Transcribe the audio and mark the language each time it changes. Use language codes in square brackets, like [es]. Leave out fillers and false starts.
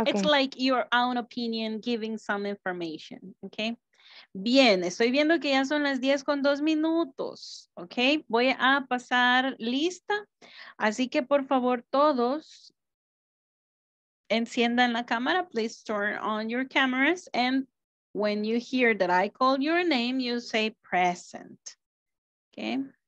[en] okay. It's like your own opinion giving some information, okay? [es] Bien, estoy viendo que ya son las 10 con 2 minutos, ok. Voy a pasar lista, así que por favor todos enciendan la cámara. [en] Please turn on your cameras and when you hear that I call your name, you say present, ok.